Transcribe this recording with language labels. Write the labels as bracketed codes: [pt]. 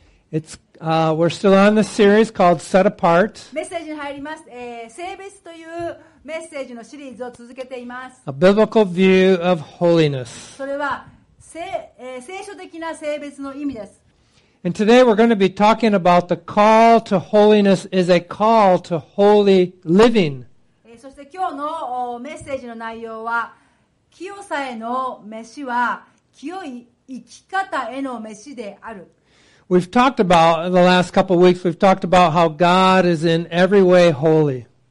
[en] It's, we're still on the series called Set Apart. [ja] メッセージに入ります。性別というメッセージのシリーズを続けています。 [en] A biblical view of holiness. [ja] それは聖書的な性別の意味です。 [en] And today we're going to be talking about the call to holiness is a call to holy living. [ja] そして今日のメッセージの内容は、清さへの召しは清い生き方への召しである。 [en] We've talked about, in the last couple of weeks, we've talked about how God is in every way holy.